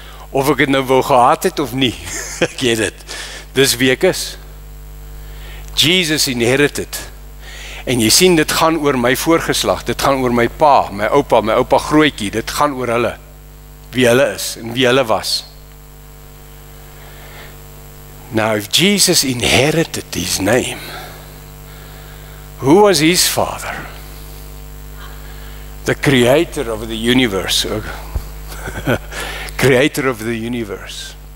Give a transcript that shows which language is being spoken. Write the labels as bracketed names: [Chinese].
[Afrikaans] Of ek het nou wel gehad het of nie, ek het het, dis wie ek is. [English] Jesus inherited, [Afrikaans] en jy sien, dit gaan oor my voorgeslag, dit gaan oor my opa grootjie, dit gaan oor hulle, wie hulle is, en wie hulle was. [English] Now, if Jesus inherited his name, who was his father? The creator of the universe, okay? Creator of the universe.